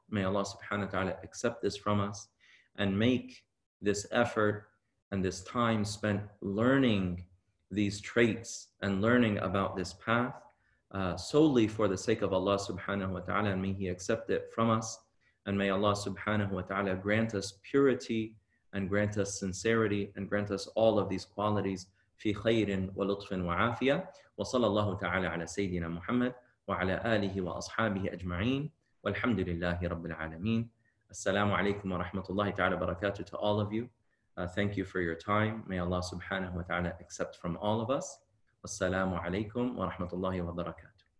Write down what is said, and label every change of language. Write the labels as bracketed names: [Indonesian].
[English] May Allah subhanahu wa ta'ala accept this from us and make this effort and this time spent learning these traits and learning about this path solely for the sake of Allah subhanahu wa ta'ala, and may He accept it from us. And may Allah subhanahu wa ta'ala grant us purity and grant us sincerity and grant us all of these qualities. [Arabic] في خير ولطف وعافية وصلى الله تعالى على سيدنا محمد وعلى آله وأصحابه أجمعين والحمد لله رب العالمين السلام عليكم ورحمة الله تعالى وبركاته [English] to all of you. Thank you for your time. May Allah subhanahu wa ta'ala accept from all of us. [Arabic] والسلام عليكم ورحمة الله وبركاته.